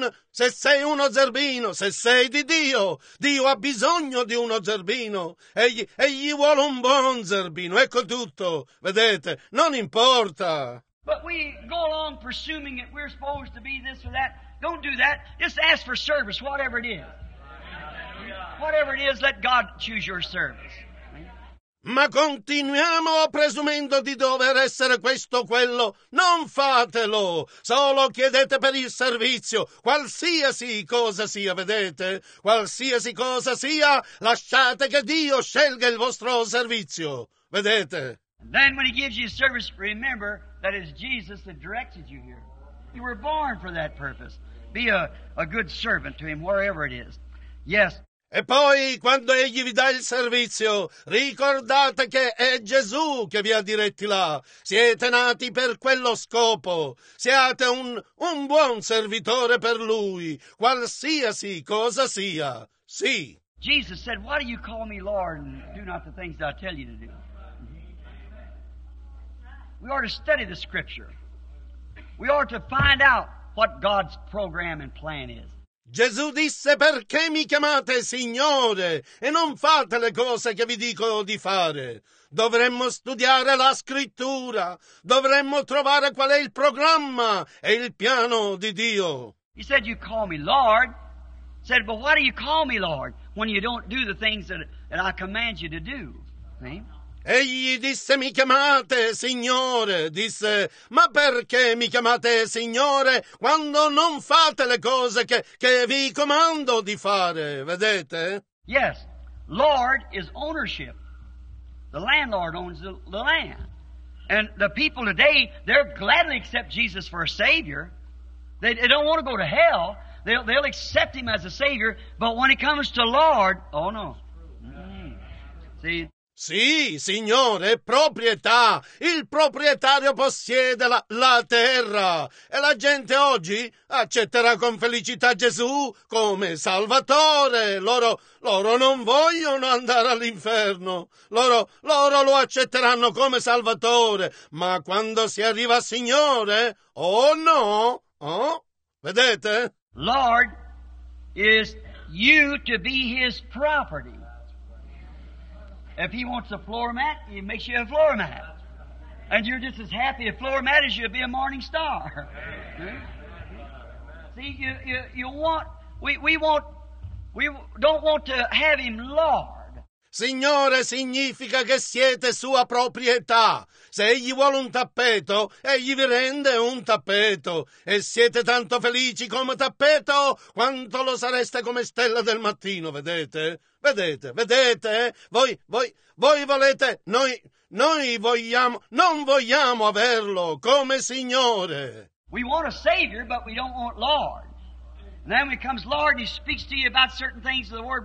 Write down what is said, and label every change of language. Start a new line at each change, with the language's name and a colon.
Italian: Se sei uno zerbino, se sei di Dio, Dio ha bisogno di uno zerbino. Egli vuole un buon zerbino. Ecco tutto. Vedete, non importa.
English: But we go along presuming that we're supposed to be this or that. Don't do that. Just ask for service, whatever it is. Whatever it is, let God choose your service.
Italian: Ma continuiamo presumendo di dover essere questo o quello. Non fatelo. Solo chiedete per il servizio. Qualsiasi cosa sia, vedete? Qualsiasi cosa sia, lasciate che Dio scelga il vostro servizio. Vedete?
English: Then when he gives you service, remember that it's Jesus that directed you here. You were born for that purpose. Be a good servant to him, wherever it is. Yes.
Italian: E poi, quando egli vi dà il servizio, ricordate che è Gesù che vi ha diretti là. Siete nati per quello scopo. Siate un buon servitore per lui, qualsiasi cosa sia. Sì.
English: Jesus said, why do you call me Lord and do not the things that I tell you to do? We are to study the scripture. We are to find out what God's program and plan is.
Italian: Gesù disse, perché mi chiamate Signore e non fate le cose che vi dico di fare? Dovremmo studiare la scrittura, dovremmo trovare qual è il programma e il piano di Dio.
English: He said, you call me Lord. He said, but why do you call me Lord when you don't do the things that I command you to do? See?
Italian: Egli disse, mi chiamate Signore, disse, ma perché mi chiamate Signore quando non fate le cose che vi comando di fare, vedete?
English: Yes, Lord is ownership. The landlord owns the land. And the people today, they're gladly accept Jesus for a Savior. They don't want to go to hell. They'll accept Him as a Savior, but when it comes to Lord, oh no. See?
Italian: Sì, Signore, proprietà. Il proprietario possiede la terra. E la gente oggi accetterà con felicità Gesù come Salvatore. Loro non vogliono andare all'inferno. Loro lo accetteranno come Salvatore. Ma quando si arriva Signore, oh no, oh, vedete?
English: Lord is you to be his property. If he wants a floor mat, he makes you a floor mat. And you're just as happy to float them out as you'd be a morning star. See, we don't want to have him Lord.
Italian: Signore significa che siete sua proprietà. Se egli vuole un tappeto, egli vi rende un tappeto. E siete tanto felici come tappeto quanto lo sareste come stella del mattino, vedete? Vedete? Voi volete, non vogliamo averlo come Signore.
English: We want a Savior, but we don't want Lord. And then when he comes, Lord, and he speaks to you about certain things of the Word.